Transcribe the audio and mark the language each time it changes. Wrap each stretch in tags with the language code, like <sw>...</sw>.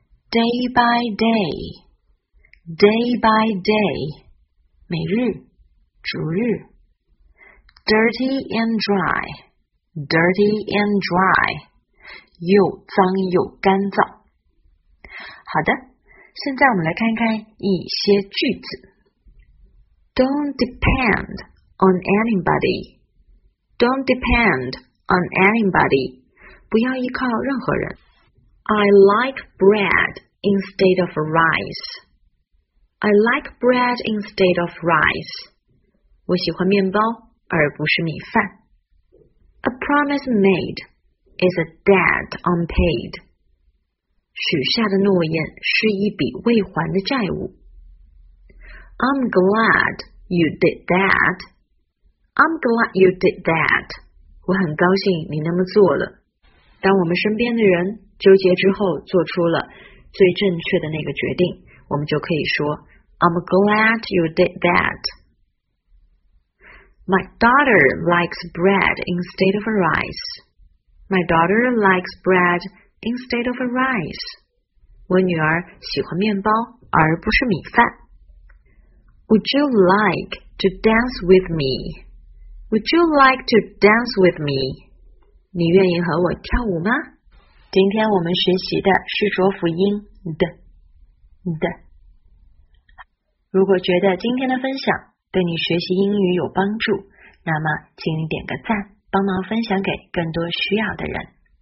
<en>Day by day, day by day,</en> <zh>每日，逐日。</zh> <en>Dirty and dry, dirty and dry,</en> <zh>又脏又干燥。好的，现在我们来看看一些句子。</zh> <en>Don't depend on anybody, don't depend on anybody,</en> <zh>不要依靠任何人。</zh> <en>I like bread. Instead of rice. I like bread instead of rice.</en> <zh>我喜欢面包而不是米饭。</zh> <en>A promise made is a debt unpaid.</en> <zh>许下的诺言是一笔未还的债务。</zh> <en>I'm glad you did that. I'm glad you did that.</en> <zh>我很高兴你那么做了。当我们身边的人纠结之后做出了最正确的那个决定，我们就可以说</zh> <en>I'm glad you did that. My daughter likes bread instead of rice. My daughter likes bread instead of rice.</en> <zh>我女儿喜欢面包而不是米饭。</zh> <en>Would you like to dance with me? Would you like to dance with me?</en> <zh>你愿意和我跳舞吗？今天我们学习的是浊辅音的的。如果觉得今天的分享对你学习英语有帮助，那么请你点个赞，帮忙分享给更多需要的人。</zh>